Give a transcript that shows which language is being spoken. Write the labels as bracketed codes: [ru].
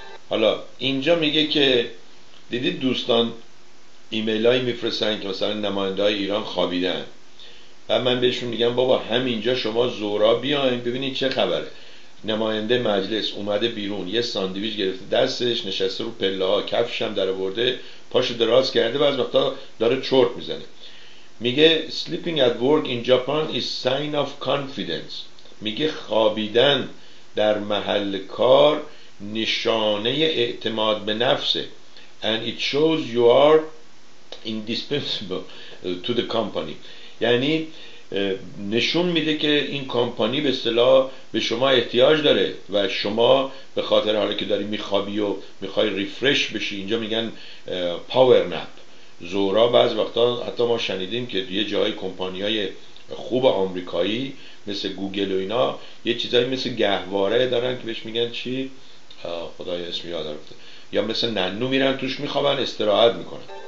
[fa] حالا اینجا میگه که دیدید دوستان ایمیل هایی میفرستن که مثلا نماینده های ایران خوابیدن، و من بهشون میگم بابا همینجا شما زورا بیاین ببینید چه خبره. نماینده مجلس اومده بیرون، یه ساندویچ گرفته دستش، نشسته رو پله ها، کفش هم در آورده، پاشو دراز کرده و از وقتا داره چرت میزنه. میگه [en] sleeping at work in Japan is sign of confidence. [fa] میگه خوابیدن در محل کار نشانه اعتماد به نفسه. [en] And it shows you are indispensable to the company. [fa] یعنی نشون میده که این کمپانی به اصطلاح به شما احتیاج داره، و شما به خاطر حالا که داری میخوابی و میخوای ریفرش بشی، اینجا میگن پاور نپ. زورا بعض وقتا حتی ما شنیدیم که یه جای کمپانی های خوب آمریکایی مثل گوگل و اینا یه چیزایی مثل گهواره دارن که بهش میگن چی؟ خدای اسمی یاد رفته، یا مثل ننو میرن توش میخوابن استراحت میکنن.